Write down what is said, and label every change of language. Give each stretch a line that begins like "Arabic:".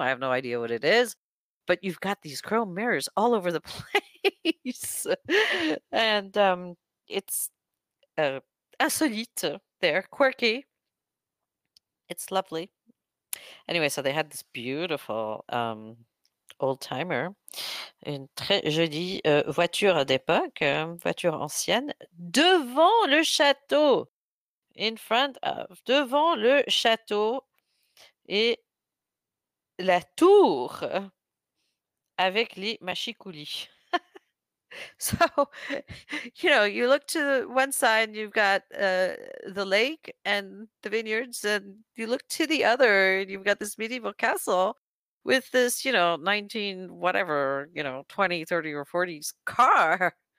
English: I have no idea what it is. But you've got these chrome mirrors all over the place. And it's insolite there, quirky. It's lovely. Anyway, so they had this beautiful old-timer.
French: Une très jolie voiture d'époque, voiture ancienne, devant le château.
English: In front of,
French: devant le château et la tour avec les mâchicoulis.
English: So, you know, you look to one side, you've got the lake and the vineyards, and you look to the other, and you've got this medieval castle with this, you know, 19 whatever, you know, 20, 30 or 40s car.